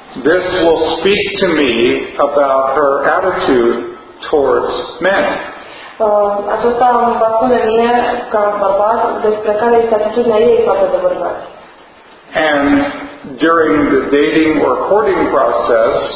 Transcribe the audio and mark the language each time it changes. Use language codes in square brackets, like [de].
[en] This will speak to me about her attitude towards men. [ro] Aceasta îmi va spune mie ca bărbat despre care este atitudinea ei față de bărbat. [en] And during the dating or courting process,